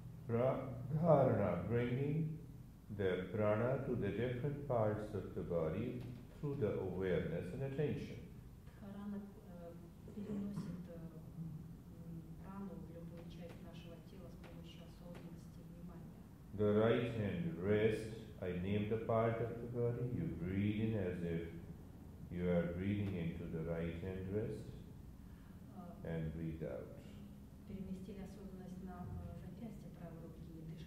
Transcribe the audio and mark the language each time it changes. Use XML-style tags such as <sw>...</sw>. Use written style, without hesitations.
<en>Dharana, bringing the prana to the different parts of the body through the awareness and attention.</en> <ru>Dharana переносит прану в любую часть нашего тела с помощью осознанности внимания.</ru> <en>The right hand rest, I name the part of the body, you breathe in as if you are breathing into the right hand rest and breathe out.</en> <ru>Переместили осознанность на запястье правой руки.</ru>